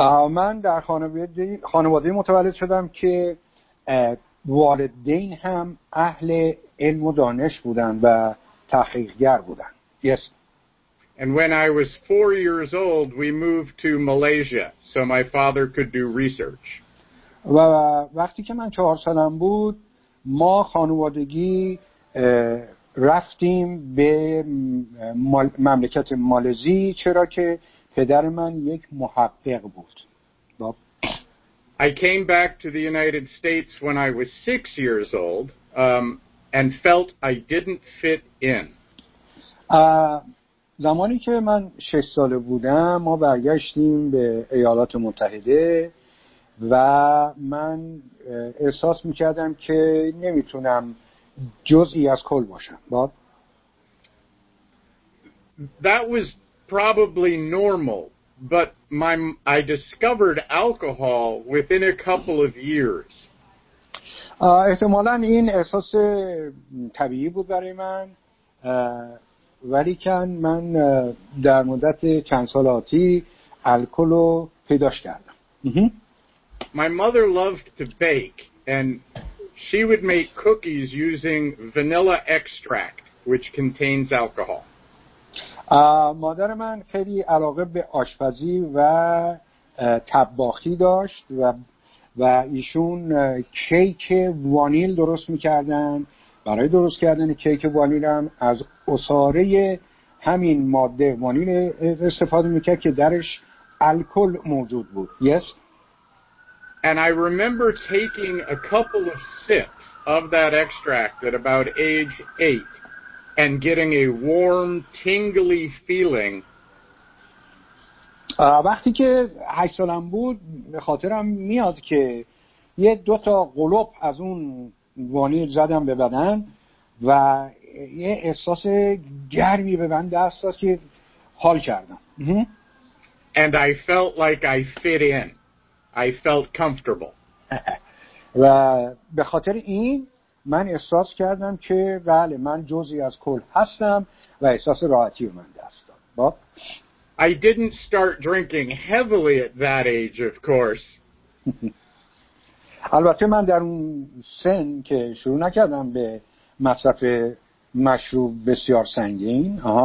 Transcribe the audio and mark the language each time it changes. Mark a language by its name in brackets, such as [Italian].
[Persian] من در خانواده متولد شدم که والدین هم اهل علم و دانش بودند و تحقیقگر بودند. [English] Yes. And when I was 4 years old, we moved to Malaysia so my father could do research. [Persian] و وقتی که من 4 سالم بود، ما خانوادگی رفتیم به مملکت مالزی، چرا که پدر من یک محقق بود. [English] I came back to the United States when I was 6 years old and felt I didn't fit in. [Persian] زمانی که من 6 ساله بودم ما برگشتیم به ایالات متحده و من احساس می‌کردم که نمیتونم جزئی از کل باشم. باب. [English] That was probably normal, but I discovered alcohol within a couple of years. [Persian] احتمالاً این احساس طبیعی بود برای من. ولیکن من در مدت چند سال آتی الکل رو پیداش کردم. [English] My mother loved to bake and she would make cookies using vanilla extract which contains alcohol. [Persian] مادر من خیلی علاقه به آشپزی و طباخی داشت و ایشون کیک وانیل درست می‌کردن. برای درست کردن کیک وانیل هم از عصاره همین ماده وانیل استفاده میکرد که درش الکل موجود بود. [English] Yes. And I remember taking a couple of sips of that extract at about age 8 and getting a warm tingly feeling. [Persian] وقتی که 8 سالم بود به خاطرم میاد که یه دو تا قلپ از اون وانیل زدم به بدن و یه احساس گرمی به من دست داد که حال کردم. [English] And I felt like I fit in. I felt comfortable. [Persian] و به خاطر این من احساس کردم که بله من جزئی از کل هستم و احساس راحتی به من دست داد. باب. [English] I didn't start drinking heavily at that age, of course. [Persian] البته من در اون سن که شروع نکردم به مصرف مشروب بسیار سنگین